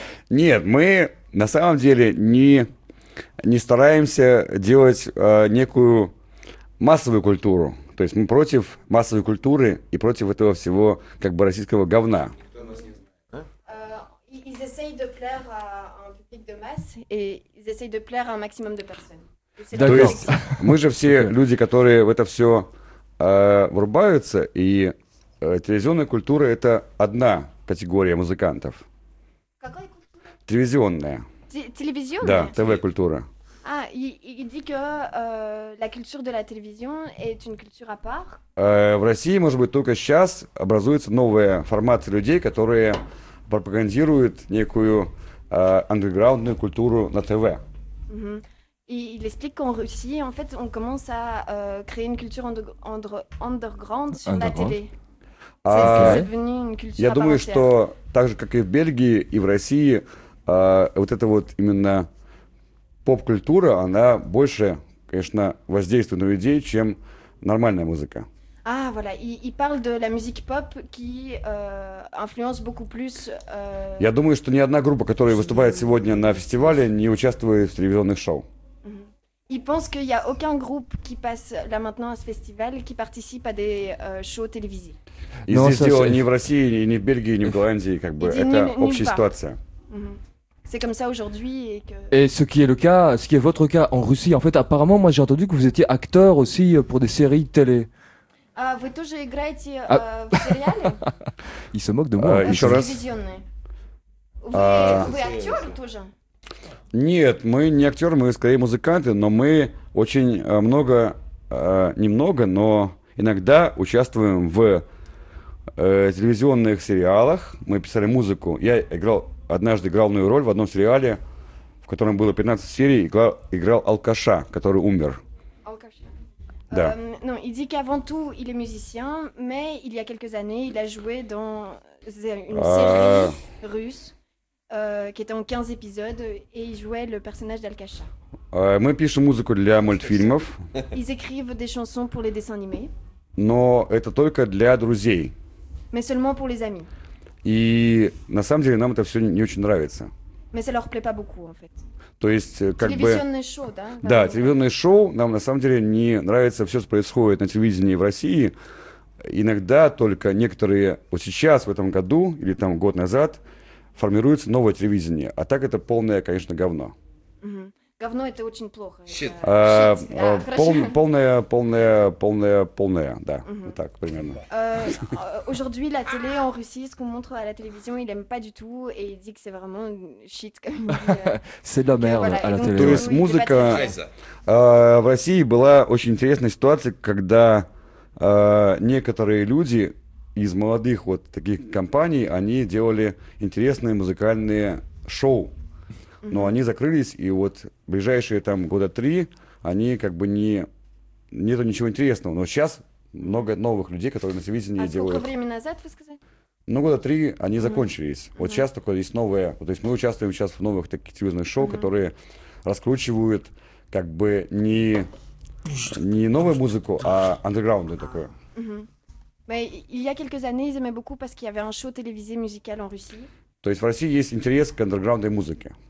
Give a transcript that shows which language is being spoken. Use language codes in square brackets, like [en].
[ru] Нет, мы на самом деле не стараемся делать некую массовую культуру. То есть мы против массовой культуры и против этого всего как бы российского говна. [fr] Ils essayent de plaire à un public de masse et ils essayent de plaire à un maximum de personnes. [ru] То есть мы же все люди, которые в это все врубаются, и телевизионная культура — это одна категория музыкантов. Какая культура? Телевизионная. Телевизионная? Да, ТВ-культура. [fr] А, il dit que la culture de la télévision est une culture à part? [ru] В России, может быть, только сейчас образуется новая формация людей, которые пропагандируют некую андерграундную культуру на ТВ. Угу. [fr] Il explique qu'en Russie, en fait, on commence à créer une culture underground sur la télé. C'est devenu une culture. [ru] Я думаю, что так же, как и в Бельгии и в России, вот эта вот именно поп-культура, она больше, конечно, воздействует на людей, чем нормальная музыка. [fr] Ah voilà, il parle de la musique pop qui influence beaucoup plus. [ru] Я думаю, что ни одна группа, которая выступает сегодня на фестивале, не участвует в телевизионных шоу. [fr] Il pense qu'il n'y a aucun groupe qui passe là maintenant à ce festival qui participe à des shows télévisés. Il n'existe ni en Russie, ni en Belgique, ni en Hollande, c'est une autre situation. c'est comme ça aujourd'hui et que... Et ce qui est le cas, ce qui est votre cas en Russie, en fait, apparemment, moi j'ai entendu que vous étiez acteur aussi pour des séries télé. [ru] Vous тоже играете в сериале? [fr] Il se moque de moi. [ru] Еще раз. Вы актер тоже? Нет, мы не актеры, мы скорее музыканты, но мы очень много, немного, но иногда участвуем в телевизионных сериалах. Мы писали музыку. Я играл однажды главную роль в одном сериале, в котором было 15 серий, играл алкаша, который умер. Да. [fr] Non, il dit qu'avant tout, il est musicien, mais il y a quelques années, il a joué dans une série russe, qui était en 15 épisodes, et il jouait le personnage d'Alkasha. [ru] Мы пишем музыку для мультфильмов. [fr] Ils écrivent des chansons pour les dessins animés. [ru] Но это только для друзей. [fr] Mais seulement pour les amis. [ru] И на самом деле, нам это все не очень нравится. [fr] Mais ça leur plaît pas beaucoup, en fait. [ru] То есть, как бы... Телевизионное шоу, да? Да, телевизионное шоу. Нам, на самом деле, не нравится все, что происходит на телевидении в России. Иногда только некоторые... Вот сейчас, в этом году, или там год назад, формируется новое телевидение. А так это полное, конечно, говно. Угу. Говно — это очень плохо. [en] Щит. [ru] Это... Полное, да. Угу. Вот так, примерно. [fr] Aujourd'hui, la télé en Russie, ce qu'on montre à la télévision, il aime pas du tout, et il dit que c'est vraiment shit. C'est de la merde, voilà, à la télé. [ru] То есть музыка... в России была очень интересная ситуация, когда некоторые люди из молодых вот таких компаний, они делали интересные музыкальные шоу. Но они закрылись, и вот ближайшие там года три, они как бы не... Нету ничего интересного. Но сейчас много новых людей, которые на телевидении делают... А сколько времени назад, вы сказали? Ну, года три они закончились. Mm-hmm. Вот сейчас такое есть новое... Вот, то есть мы участвуем сейчас в новых таких телевизионных шоу, mm-hmm. которые раскручивают как бы не новую музыку, а андерграундную такую. Mm-hmm. [fr] Mais, il y a quelques années, ils aimaient beaucoup parce qu'il y avait un show télévisé musical en Russie. [ru] То есть в России есть интерес к андерграундной музыке.